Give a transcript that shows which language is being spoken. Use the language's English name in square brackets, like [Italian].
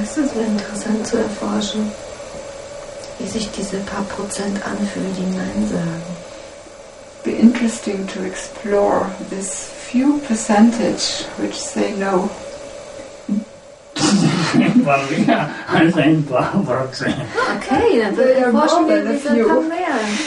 [German] Es wäre interessant zu erforschen, wie sich diese paar Prozent anfühlen, die Nein sagen. [English] Be interesting to explore this few percentage which say no. [German] Okay, dann würde ich erforschen, wie viele sind noch mehr.